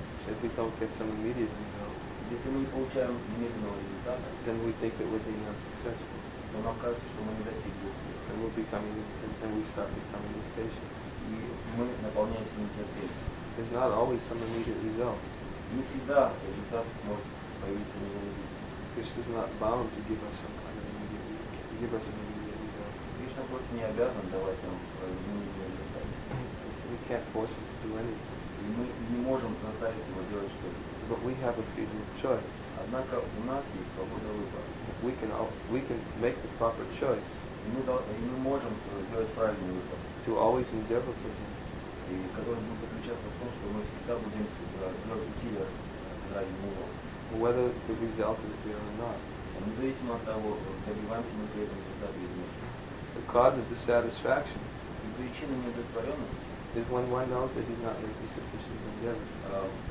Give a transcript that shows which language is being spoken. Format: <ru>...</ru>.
<en>If we don't get some immediate result,</en> <ru>если мы не получаем немедленного результата,</ru> <en>then we think that we're being unsuccessful.</en> <ru>То нам кажется, что мы не достигли.</ru> <en>Then we become impatient. Then we start becoming impatient.</en> <ru>И мы наполняемся нетерпением.</ru> <en>There's not always some immediate result.</en> <ru>Не всегда результат может появиться немедленно.</ru> <en>Krishna's not bound to give us some kind of immediate result. Give us an immediate result.</en> <ru>Кришна просто не обязан давать нам немедленный результат.</ru> <en>We can't force him to do anything.</en> <ru>Мы не можем заставить его делать что-то.</ru> <en>But we have a freedom of choice.</en> <ru>Однако у нас есть свобода выбора.</ru> <en>We can make the proper choice.</en> <ru>Мы можем сделать правильный выбор.</ru> <en>To always endeavor for him.</en> <ru>И который будет заключаться в том, что мы всегда будем делать усилия ради него.</ru> <en>Whether the result is there or not.</en> <ru>Независимо от того, добиваемся мы при этом результата или нет.</ru> <en>The cause of dissatisfaction.</en> <ru>И причина неудовлетворенности.</ru> <en>Is when one knows that he's not making sufficient endeavor.</en>